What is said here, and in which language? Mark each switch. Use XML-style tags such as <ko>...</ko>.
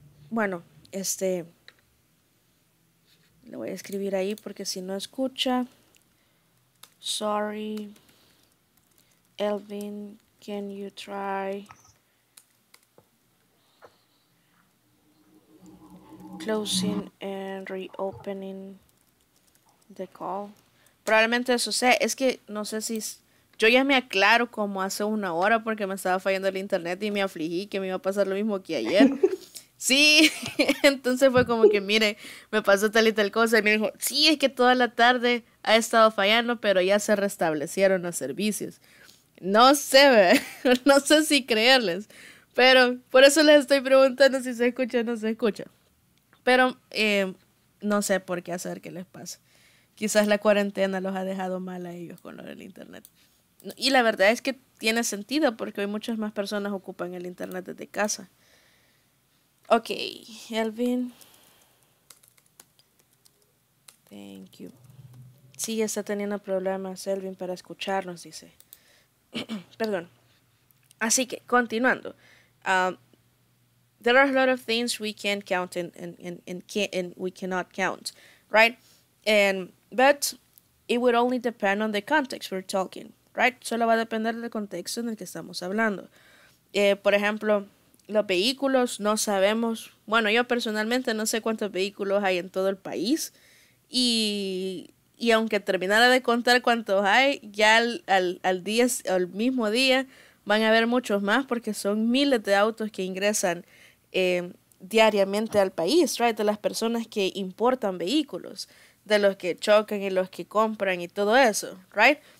<es>Bueno, le voy a escribir ahí porque si no escucha.</es> <en>Sorry, Elvin, can you try closing and reopening the call?</en> <es>Probablemente eso sea, es que no sé si, yo ya me aclaro como hace una hora porque me estaba fallando el internet y me afligí que me iba a pasar lo mismo que ayer. Sí, entonces fue como que mire, me pasó tal y tal cosa y me dijo, sí, es que toda la tarde ha estado fallando, pero ya se restablecieron los servicios. No sé, no sé si creerles, pero por eso les estoy preguntando si se escucha o no se escucha. Pero no sé por qué hacer que les pasa. Quizás la cuarentena los ha dejado mal a ellos con lo del internet. Y la verdad es que tiene sentido porque hoy muchas más personas ocupan el internet desde casa. Ok, Elvin.</es> <en>Thank you.</en> <es>Sí, está teniendo problemas Elvin para escucharnos, dice. Perdón. Así que, continuando.</es> <en>There are a lot of things we can count and we cannot count, right? But it would only depend on the context we're talking, right?</en> <es>Solo va a depender del contexto en el que estamos hablando. Por ejemplo, los vehículos no sabemos. Bueno, yo personalmente no sé cuántos vehículos hay en todo el país. Y aunque terminara de contar cuántos hay, ya al mismo día van a haber muchos más porque son miles de autos que ingresan diariamente al país, right? De las personas que importan vehículos, de los que chocan y los que compran y todo eso, right?</es>